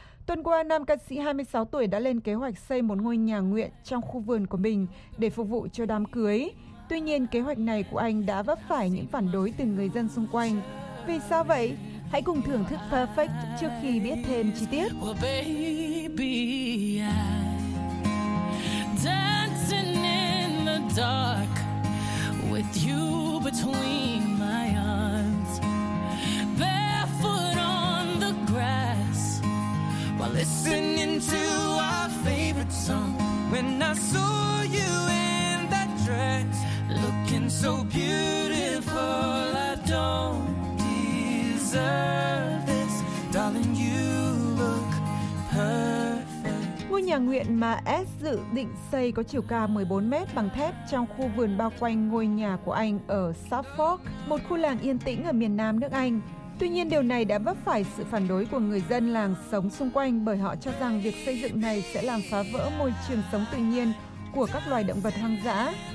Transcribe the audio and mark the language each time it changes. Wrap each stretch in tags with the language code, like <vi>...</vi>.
<vi>Tuần qua, nam ca sĩ 26 tuổi đã lên kế hoạch xây một ngôi nhà nguyện trong khu vườn của mình để phục vụ cho đám cưới. Tuy nhiên, kế hoạch này của anh đã vấp phải những phản đối từ người dân xung quanh. Vì sao vậy? Hãy cùng thưởng thức Perfect trước khi biết thêm chi tiết.</vi> <en>Dancing in the dark with you between my arms, barefoot on the grass, while listening to our favorite song. When I saw you in that dress, looking so beautiful, I don't deserve this, darling, you look perfect.</en> <vi>Ngôi nhà nguyện mà Ed dự định xây có chiều cao 14 mét bằng thép trong khu vườn bao quanh ngôi nhà của anh ở Suffolk, một khu làng yên tĩnh ở miền nam nước Anh. Tuy nhiên, điều này đã vấp phải sự phản đối của người dân làng sống xung quanh bởi họ cho rằng việc xây dựng này sẽ làm phá vỡ môi trường sống tự nhiên của các loài động vật hoang dã.</vi>